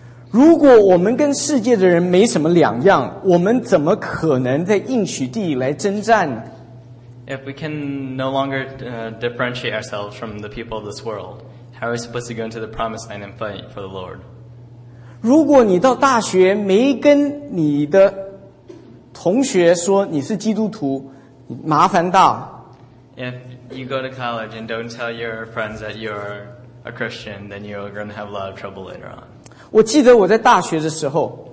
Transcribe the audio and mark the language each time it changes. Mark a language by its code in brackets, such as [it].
[zh] 如果我们跟世界的人没什么两样，我们怎么可能在应许地来征战呢？ [en] If we can no longer differentiate ourselves from the people of this world, how are we supposed to go into the promised land and fight for the Lord? [zh] 如果你到大学没跟你的同学说你是基督徒，麻烦大。 [en] If you go to college and don't tell your friends that you're a Christian, then you're going to have a lot of trouble later on. [zh] 我记得我在大学的时候，